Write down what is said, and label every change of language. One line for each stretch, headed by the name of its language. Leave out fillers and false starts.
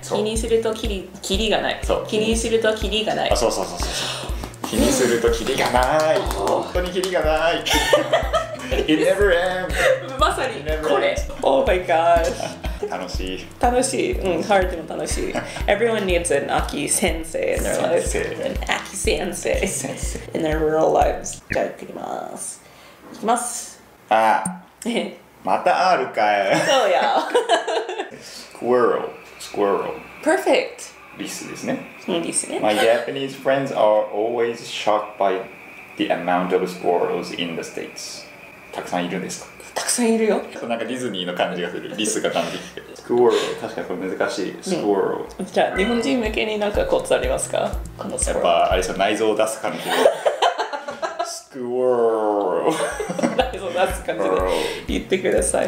Japanese: 気にするとキリ、キリがない。そう、気にするとキリがない。あ、そうそうそうそう、気にするとキリがない。本当にキリがない。
English: It never ends。
Japanese: まさにこれ。
English: Oh my gosh。
Japanese: 楽しい、楽しい。うん、ハードでも楽しい。
English: Everyone needs an Aki sensei in their lives。 An Aki sensei in their rural lives。
Japanese: じゃあ行ってきます。行きます。あ、また R かい。そうや。
English: Squirrel、 Squirrel。 Perfect。
Japanese: リスですね。うん、リスね。
English: My Japanese friends are always shocked by the amount of squirrels in the states。
Japanese: たくさんいるんですか？たくさんいるよ。なんかディズニーの感じがする。リスが感じて。スクワール、確かにこれ難しい。スクワール、うん、じゃあ日本人向けになんかコツありますか？このスクワール、やっぱあれさ、内臓を出す感じで。スクワール内臓を出す感じで言ってください。